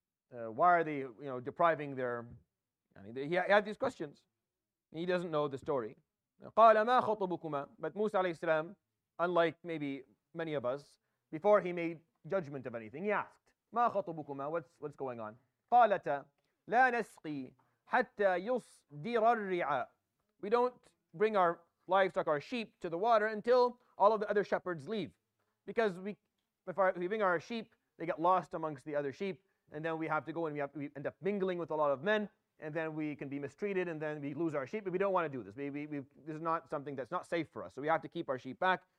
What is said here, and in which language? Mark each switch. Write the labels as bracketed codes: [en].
[en] Why are they depriving their... He had these questions. He doesn't know the story. [ar] قَالَ مَا خَطُبُكُمَا. [en] But Musa alayhi salam, unlike maybe many of us, before he made judgment of anything, he asked, [ar] مَا خَطُبُكُمَا. [en] What's going on? [ar] قَالَتَ لَا نَسْقِي حَتَّى يُصْدِرَ الرِّعَاءِ. [en] We don't bring our livestock, our sheep, to the water until all of the other shepherds leave. Because if we bring our sheep, they get lost amongst the other sheep, and then we have to go and we end up mingling with a lot of men, and then we can be mistreated, and then we lose our sheep. But we don't want to do this. This is not something that's not safe for us. So we have to keep our sheep back.